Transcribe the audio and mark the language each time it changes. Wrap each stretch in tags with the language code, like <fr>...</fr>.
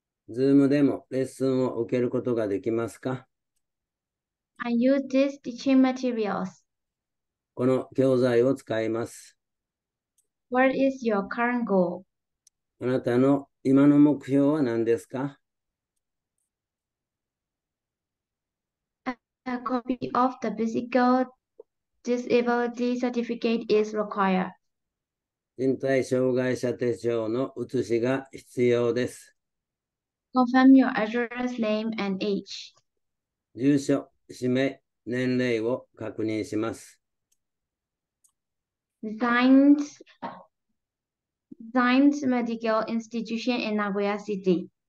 <ja>Zoom でもレッスンを受けることができますか？</ja> <en>I use these teaching materials.</en> <ja>この教材を使います。</ja> <en>What is your current goal?</en> <ja>あなたの今の目標は何ですか？</ja> <en>A copy of the physical disability certificate is required.</en> <ja>身体障害者手帳の写しが必要です。</ja> <en>Confirm your address, name, and age.</en> <ja>住所、氏名、年齢を確認します。</ja> <en>Designed Medical Institution in Nagoya City.</en>